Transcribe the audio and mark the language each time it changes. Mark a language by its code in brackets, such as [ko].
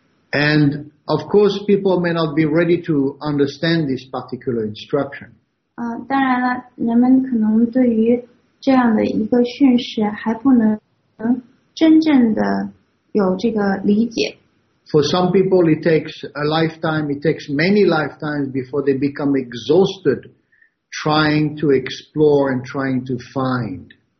[en] And of course people may not be ready to understand this particular instruction. [zh] 当然了,人们可能对于这样的一个讯息还不能真正的有这个理解。 [en] For some people, it takes a lifetime, it takes many lifetimes before they become exhausted trying to explore and trying to find.